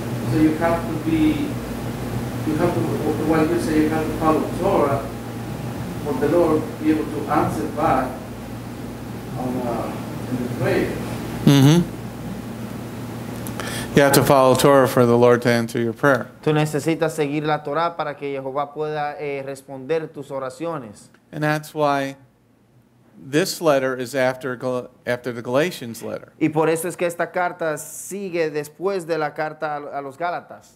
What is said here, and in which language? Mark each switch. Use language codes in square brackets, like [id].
[en] So you have to follow Torah for the Lord to be able to answer back in the prayer. Mm-hmm. You have to follow Torah for the Lord to answer your prayer. [es] Tú necesitas seguir la Torah para que Jehová pueda responder tus oraciones. [en] And that's why this letter is after the Galatians letter. [es] Y por eso es que esta carta sigue después de la carta a los Gálatas.